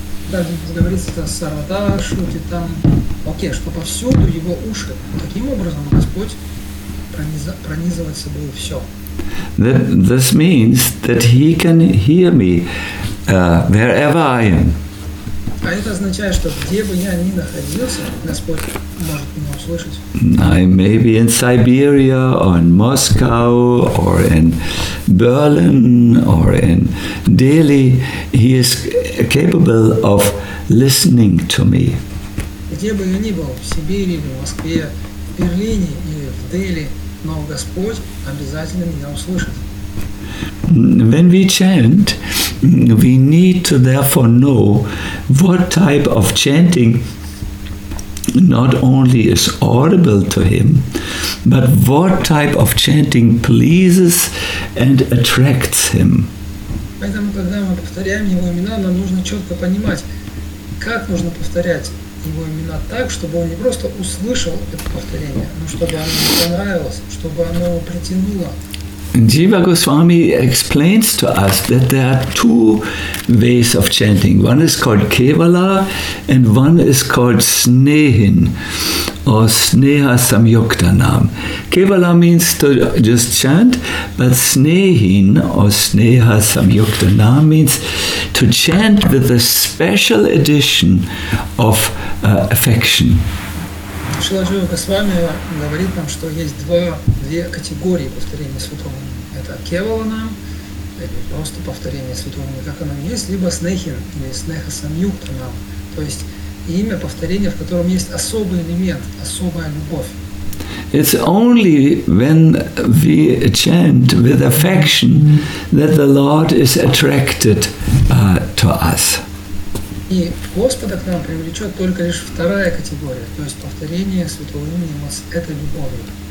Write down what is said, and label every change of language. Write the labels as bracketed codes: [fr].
[ru] Да, здесь говорится сарвата шрути там, окей, что повсюду его уши. Таким образом Господь пронизывает собой все. [en] This means that He can hear me wherever I am. [ru] А это означает, что где бы я ни находился, Господь может меня услышать. [en] I may be in Siberia, or in Moscow, or in Berlin, or in Delhi. He is capable of listening to me. [ru] Где бы я ни был, в Сибири, в Москве, в Берлине или в Дели, но Господь обязательно меня услышит. [en] When we chant, we need to therefore know what type of chanting not only is audible to him, but what type of chanting pleases and attracts him? [ru] Поэтому, когда мы повторяем его имена, нам нужно четко понимать, как нужно повторять его имена так, чтобы он не просто услышал это повторение, но чтобы оно ему понравилось, чтобы оно его притянуло. [en] Jiva Goswami explains to us that there are two ways of chanting. One is called Kevala and one is called Snehin or Sneha Samyuktanam. Kevala means to just chant, but Snehin or Sneha Samyuktanam means to chant with a special addition of affection. [ru] Шрила Джива Госвами говорит нам, что есть две категории повторения святого имени. Это кевалана, просто повторение святого имени, как оно есть, либо снехин, или снеха самьюктанам. То есть имя повторения, в котором есть особый элемент, особая любовь. [en] It's only when we chant with affection that the Lord is attracted to us. [ru] И Господа к нам привлечет только лишь вторая категория, то есть повторение святого имени у нас этой любовью.